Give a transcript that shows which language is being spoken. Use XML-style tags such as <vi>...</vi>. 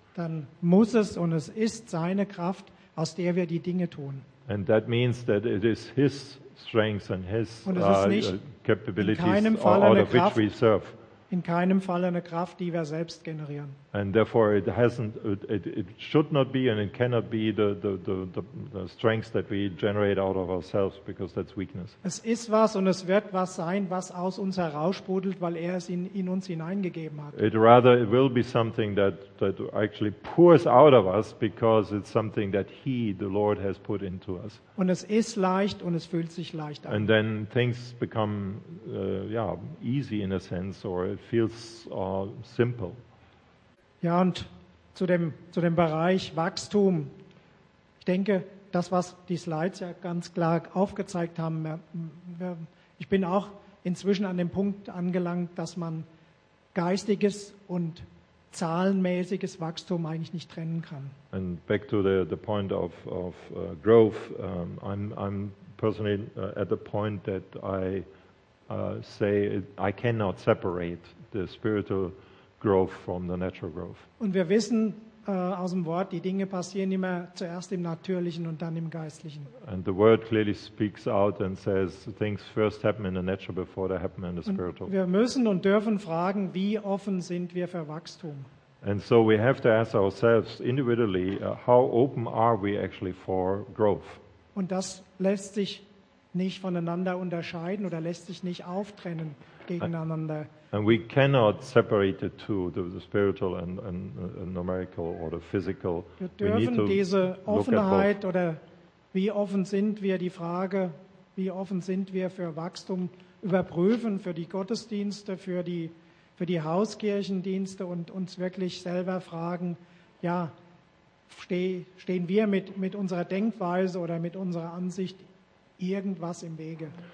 <de>Dann muss es und es ist seine Kraft, aus der wir die Dinge tun.</de> <en>And that means that it is his strength and his capabilities out of which we serve.</en> <de>In keinem Fall eine Kraft, die wir selbst generieren.</de> <en>And therefore it hasn't, it should not be and it cannot be the strength that we generate out of ourselves, because that's weakness.</en> <de>Es ist was und es wird was sein, was aus uns heraussprudelt, weil er es in uns hineingegeben hat.</de> <en>It will be something that actually pours out of us, because it's something that he, the Lord, has put into us.</en> <de>Und es ist leicht und es fühlt sich leicht an.</de> <en>And then things become easy in a sense, or it feels simple.</en> <de>Ja, und zu dem Bereich Wachstum. Ich denke, das, was die Slides ja ganz klar aufgezeigt haben, ich bin auch inzwischen an dem Punkt angelangt, dass man geistiges und zahlenmäßiges Wachstum eigentlich nicht trennen kann.</de> <en>And back to the point of growth, I'm personally at the point that I say I cannot separate the spiritual growth from the natural growth.</en> <de>Und wir wissen aus dem Wort, die Dinge passieren immer zuerst im Natürlichen und dann im Geistlichen.</de> <en>And the word clearly speaks out and says things first happen in the natural before they happen in the spiritual.</en> <de>Und wir müssen und dürfen fragen, wie offen sind wir für Wachstum?</de> <en>And so we have to ask ourselves individually, how open are we actually for growth?</en> <de>Und das lässt sich nicht voneinander unterscheiden oder lässt sich nicht auftrennen gegeneinander.</de> <en>And we cannot separate the two, the spiritual and numerical or the physical.</en> <de>Wir dürfen diese Offenheit oder wie offen sind wir die Frage, wie offen sind wir für Wachstum überprüfen, für die Gottesdienste, für die Hauskirchendienste und uns wirklich selber fragen, ja, stehen wir mit unserer Denkweise oder mit unserer Ansicht irgendwas im Wege?</de>